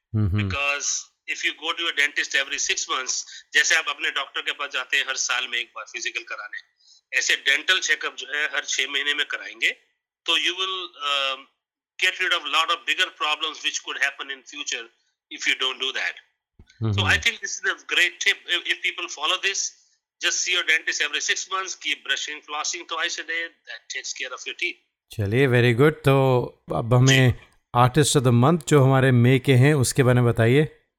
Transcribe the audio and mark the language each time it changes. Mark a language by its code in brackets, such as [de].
[en] because if you go to your dentist every 6 months, [hi] जैसे आप अपने डॉक्टर के पास जाते हैं हर साल में एक बार फिजिकल कराने, ऐसे डेंटल चेकअप जो है हर 6 महीने में कराएंगे तो [en] You will get rid of lot of bigger problems which could happen in future if you don't do that. So I think this is a great tip if people follow this. Just see your dentist every 6 months, keep brushing, flossing twice a day, that takes care of your teeth. [hi] चलिए [en] Very good. [hi] तो अब हमें artist of the month जो हमारे मे के हैं उसके बारे में बताइए.